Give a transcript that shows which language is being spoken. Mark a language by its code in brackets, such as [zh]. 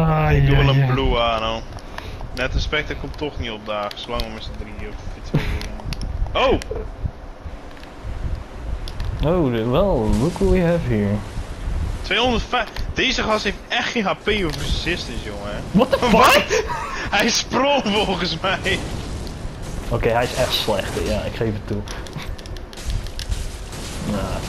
[nl] Ik doe wel een blue aan, hoor. Net een spectre komt toch niet op daar, zolang we met z'n drie of twee. Oh! [en] Oh, wel, look what we have here. 205. [nl] Deze gast heeft echt geen HP of resistance, jongen. [en] What the fuck? What? [nl] Hij sprong volgens mij. Oké, okay, hij is echt slecht, ja, ik geef het toe. Nah.